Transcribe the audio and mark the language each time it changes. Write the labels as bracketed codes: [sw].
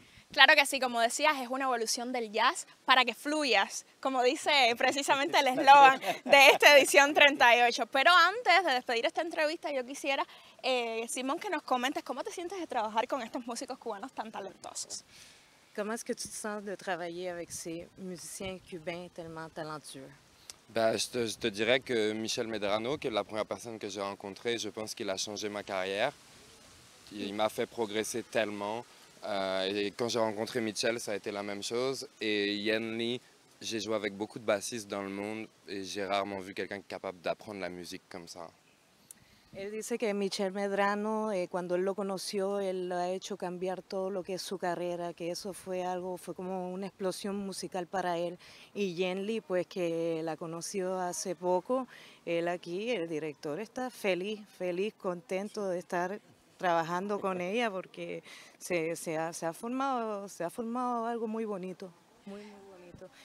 [es] Claro que sí, como decías, es una evolución del jazz para que fluyas, como dice precisamente el eslogan de esta edición 38. Pero antes de despedir esta entrevista, yo quisiera, Simón, que nos comentes cómo te sientes de trabajar con estos músicos cubanos tan talentosos. ¿Cómo es que tú te sientes de trabajar con estos músicos cubanos tan talentosos? [fr] Je te dirais que Michel Medrano, [es] que es la primera persona que [fr] j'ai rencontrée, je pense qu'il a changé ma carrière. Il m'a fait progresser tellement. Et quand j'ai rencontré Michel, ça a été la même chose. Et Yen Li, j'ai joué avec beaucoup de bassistes dans le monde et j'ai rarement vu quelqu'un capable d'apprendre la musique comme ça. [es] Él dice que Michel Medrano, cuando él lo conoció, él lo ha hecho cambiar todo lo que es su carrera, que eso fue algo, fue como una explosión musical para él. Y Yen Li, pues que la conoció hace poco, él aquí, el director, está feliz, feliz, contento de estar trabajando con ella porque se ha formado algo muy bonito, muy, muy bonito.